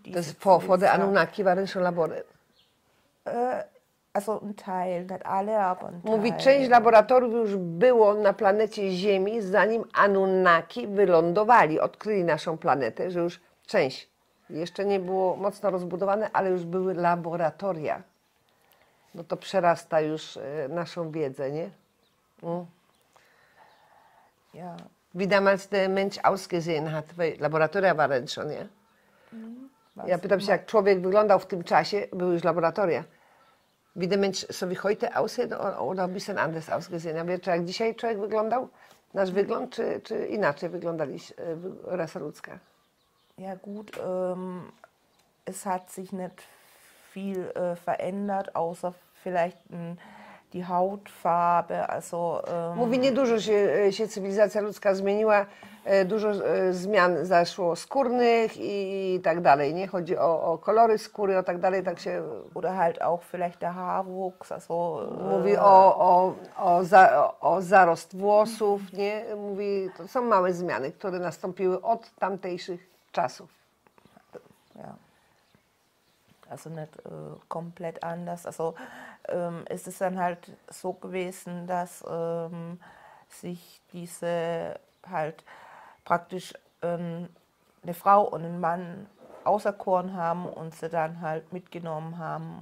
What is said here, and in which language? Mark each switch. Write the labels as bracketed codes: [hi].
[de] Das vor der Anunnaki waren schon Labore. Also ein Teil, nicht alle, aber ein Teil. [pl] Mówi, część laboratoriów już było na planecie Ziemi, zanim Anunnaki wylądowali, odkryli naszą planetę, że już część. Jeszcze nie było mocno rozbudowane, ale już były laboratoria. No to przerasta już naszą wiedzę, nie? [de] Ja. Wie damals der Mensch ausgesehen hat, weil Laboratoria waren schon, ja? [pl] Ja pytam się, jak człowiek wyglądał w tym czasie, były już laboratoria. [de] Wie der Mensch so wie heute aussieht oder ein bisschen anders ausgesehen? [pl] Ja wie, czy jak dzisiaj człowiek wyglądał? Nasz wygląd, czy inaczej wyglądaliś rasa ludzka? [de] Ja gut, es hat sich nicht viel verändert, außer vielleicht die Hautfarbe, also... [pl] Mówi, niedużo się cywilizacja ludzka zmieniła, dużo zmian zaszło skórnych i tak dalej, nie? Chodzi o kolory skóry, o tak dalej, tak się... [de] Oder halt auch vielleicht der Haarwuchs, also... [pl] Mówi o zarost włosów, nie? Mówi, to są małe zmiany, które nastąpiły od tamtejszych czasów. [de] Also nicht komplett anders. Also ist es dann halt so gewesen, dass sich diese halt praktisch eine Frau und ein Mann auserkoren haben und sie dann halt mitgenommen haben.